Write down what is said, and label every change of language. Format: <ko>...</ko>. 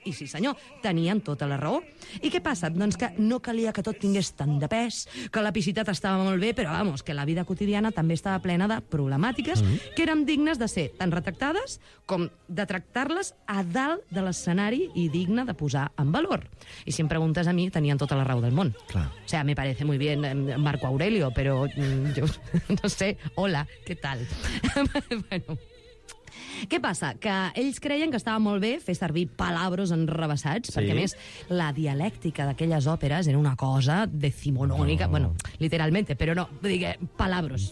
<ca>I sí, senyor, tenien tota la raó. I què passa? Doncs que no calia que tot tingués tant de pes, que l'epicitat estava molt bé, però, vamos, que la vida quotidiana també estava plena de problemàtiques que eren dignes de ser tan retractades com de tractar-les a dalt de l'escenari i digna de posar en valor. I si em preguntes a mi, tenien tota la raó del món. Clar.</ca> <es>O sea, me parece muy bien Marco Aurelio, pero yo no sé, hola, ¿qué tal? Bueno...</es> <ca>Què passa? Que ells creien que estava molt bé fer servir palabros enrevessats, sí, perquè, a més, la dialèctica d'aquelles òperes era una cosa decimonònica, bueno, literalment, però no, digue, palabros.</ca>